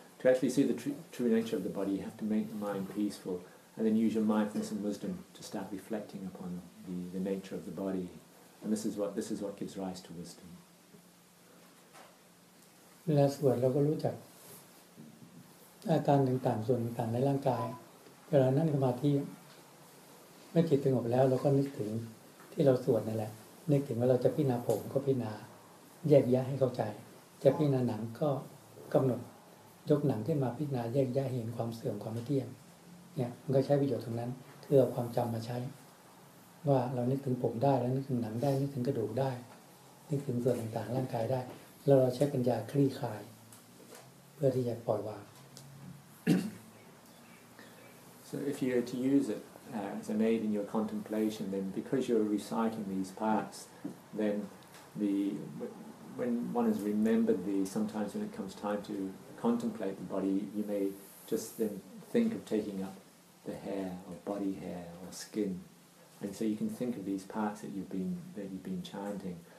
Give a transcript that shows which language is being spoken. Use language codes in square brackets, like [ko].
[en] To actually see the true nature of the body, you have to make the mind peaceful and then use your mindfulness and wisdom to start reflecting upon the nature of the body. And this is what gives rise to wisdom. Last word, we also know the different parts of the body. When we sit in samadhi, when the mind is calm, we think about what we sit. We think about whether we are sitting on the hair, or sitting [th] on the body, sitting on the skin, or sitting ยกหนังขึ้นมาพิจารณาแยกแยะเห็นความเสื่อมความไม่เที่ยงเนี่ยมันก็ใช้ประโยชน์ตรงนั้นคือเอาความจำมาใช้ว่าเรานึกถึงผมได้แล้วนึกถึงหนังได้นึกถึงกระดูกได้นึกถึงส่วนต่างๆร่างกายได้แล้วเราใช้ปัญญาคลี่คลายเพื่อที่จะปล่อยวาง [en] So if you were to use it as an aid in your contemplation then because you're reciting these parts then when one has remembered these sometimes when it comes time toContemplate the body. You may just then think of taking up the hair, or body hair, or skin, and so you can think of these parts that you've been chanting.